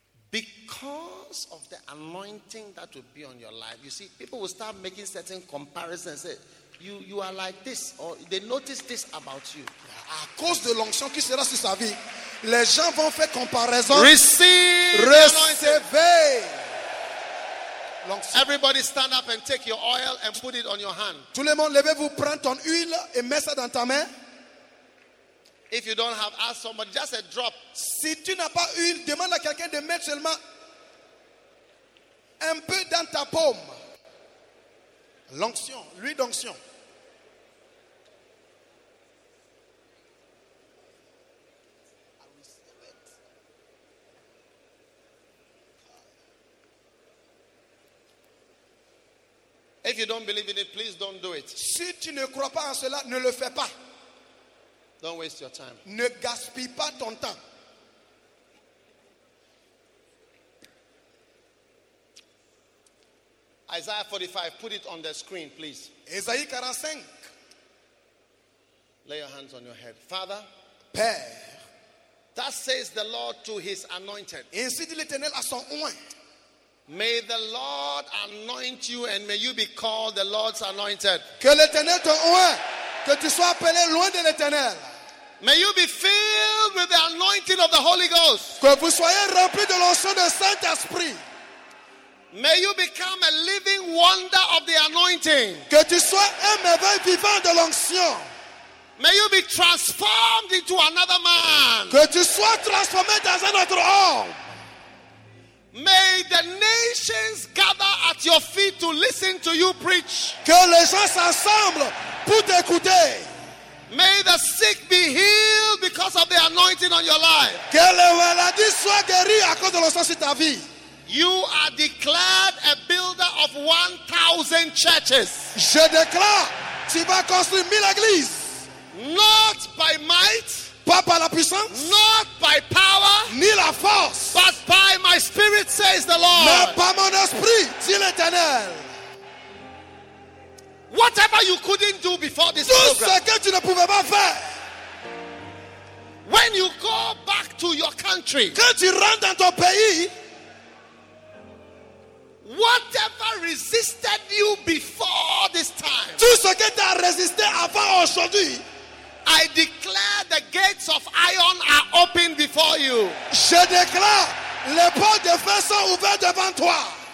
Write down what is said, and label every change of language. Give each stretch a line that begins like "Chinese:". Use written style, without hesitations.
English: Because of the anointing that will be on your life, you see, people will start making certain comparisons. Say, you are like this, or they notice this about you.
French: À cause de l'onction qui sera sur sa vie, les gens vont faire comparaison.
English: Receive,
French: recevez.
English: Everybody stand up and take your oil and put it on your hand.
French: Tout le monde, levez-vous, prends ton huile et mets ça dans ta main.
English: If you don't have, ask somebody, just a drop.
French: Si tu n'as pas huile, demande à quelqu'un de mettre seulement un peu dans ta paume. L'onction, l'huile d'onction.
English: If you don't believe in it, please don't do it.
French: Si tu ne crois pas en cela, ne le fais pas.
English: Don't waste your time.
French: Ne gaspille pas ton temps.
English: Isaiah 45, put it on the screen, please.
French: Esaïe 45.
English: Lay your hands on your head. Father,
French: Père,
English: thus says the Lord to his anointed.
French: Ainsi dit l'Éternel à son oint.
English: May the Lord anoint you and may you be called the Lord's anointed.
French: Que l'Éternel te oint, que tu sois appelé loin de l'Éternel.
English: May you be filled with the anointing of the Holy Ghost.
French: Que vous soyez rempli de l'onction du Saint-Esprit.
English: May you become a living wonder of the anointing.
French: Que tu sois un merveille vivant de l'onction.
English: May you be transformed into another man.
French: Que tu sois transformé dans un autre homme.
English: May the nations gather at your feet to listen to you preach.
French: Que les gens s'assemblent pour t'écouter.
English: May the sick be healed because of the anointing on your life.
French: Que les maladies soient guéries à cause de l'onction sur ta vie.
English: You are declared a builder of 1,000 churches.
French: Je déclare, tu vas construire 1,000 églises.
English: Not by might.
French: Pas par la puissance.
English: Not by power.
French: Ni la force.
English: But by my spirit, says the Lord.
French: Mais par mon esprit, dit l'Éternel.
English: Whatever you couldn't do before this
French: tout
English: program.
French: Tout ce que tu ne pouvais pas faire.
English: When you go back to your country.
French: Quand tu rentres dans ton pays.
English: Whatever resisted you before this time.
French: Tout ce que t'as résisté avant aujourd'hui.
English: I declare the gates of iron are open before you.
French: Je déclare les portes de fer sont ouvertes devant toi.